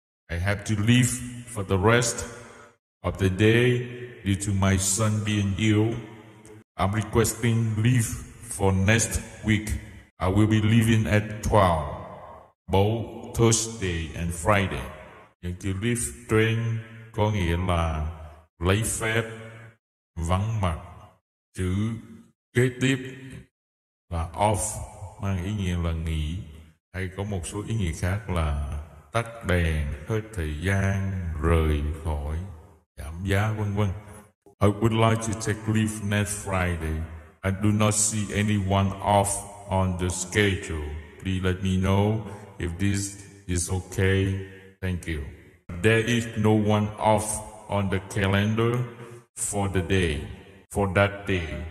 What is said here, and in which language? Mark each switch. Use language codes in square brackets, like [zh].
[en] I have to leave for the rest of the day due to my son being ill. I'm requesting leave for next week. I will be leaving at 12, both Thursday and Friday. And to leave train [vi] có nghĩa là lấy phép, vắng mặt. Chữ kế tiếp là off, mang ý nghĩa là nghỉ, hay có một số ý nghĩa khác là tắt đèn, hết thời gian, rời khỏi, giảm giá, vân vân. [en] I would like to take leave next Friday. I do not see anyone off on the schedule. Please let me know if this is okay. Thank you. There is no one off on the calendar for that day.